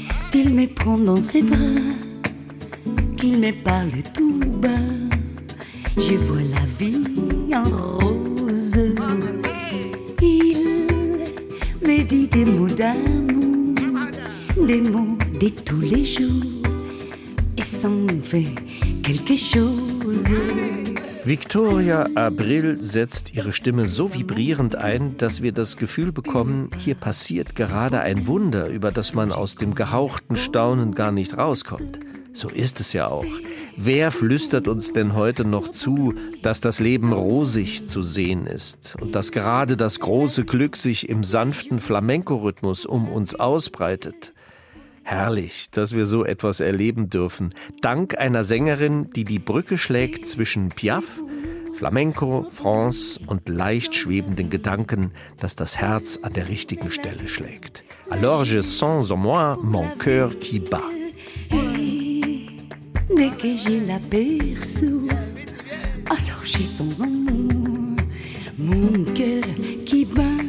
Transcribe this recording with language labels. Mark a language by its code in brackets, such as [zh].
[fr] Qu'il me prend dans ses bras, qu'il me parle tout bas, je vois la vie en rose. Il me dit des mots d'amour, des mots de tous les jours, et ça me fait quelque chose. [de] Victoria Abril setzt ihre Stimme so vibrierend ein, dass wir das Gefühl bekommen, hier passiert gerade ein Wunder, über das man aus dem gehauchten Staunen gar nicht rauskommt. So ist es ja auch. Wer flüstert uns denn heute noch zu, dass das Leben rosig zu sehen ist und dass gerade das große Glück sich im sanften Flamenco-Rhythmus um uns ausbreitet? Herrlich, dass wir so etwas erleben dürfen. Dank einer Sängerin, die die Brücke schlägt zwischen Piaf, Flamenco, France und leicht schwebenden Gedanken, dass das Herz an der richtigen Stelle schlägt. [fr] Alors je sens en moi mon cœur qui bat. Dès que je l'aperçois, alors je sens en moi mon cœur qui bat.